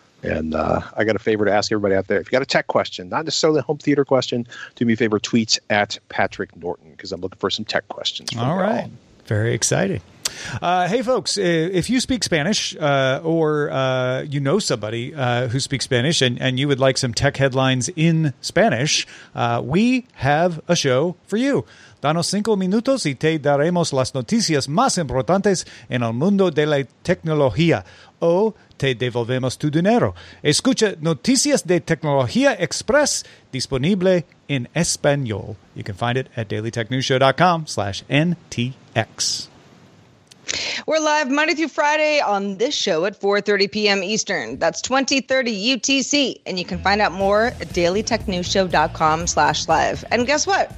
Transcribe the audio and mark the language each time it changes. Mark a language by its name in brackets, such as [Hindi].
[English] And I got a favor to ask everybody out there. If you got a tech question, not necessarily a home theater question, do me a favor, tweet at Patrick Norton because I'm looking for some tech questions. All right. Very exciting. Hey, folks, if you speak Spanish or you know somebody who speaks Spanish and you would like some tech headlines in Spanish, we have a show for you. [Spanish] Danos cinco minutos y te daremos las noticias más importantes en el mundo de la tecnología o te devolvemos tu dinero. Escucha Noticias de Tecnología Express, disponible en español. [English] You can find it at dailytechnewsshow.com/NTX. We're live Monday through Friday on this show at 4:30 p.m. Eastern. That's 20:30 UTC. And you can find out more at dailytechnewsshow.com/live. And guess what?